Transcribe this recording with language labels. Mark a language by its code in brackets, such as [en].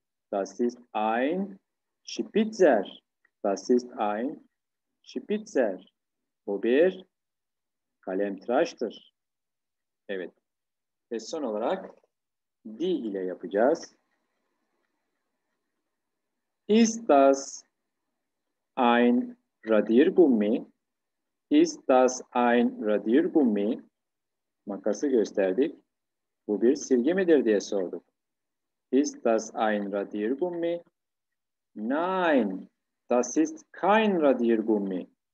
[de] Das ist ein Spitzer. Das ist ein Spitzer. [tr] Bu bir kalemtıraştır. Evet. Ve son olarak D ile yapacağız. [de] Ist das ein Radiergummi? Ist das ein Radiergummi? [tr] Makası gösterdik. Bu bir silgi midir diye sorduk. [de] Ist das ein Radiergummi? Nein. Das ist kein Radiergummi.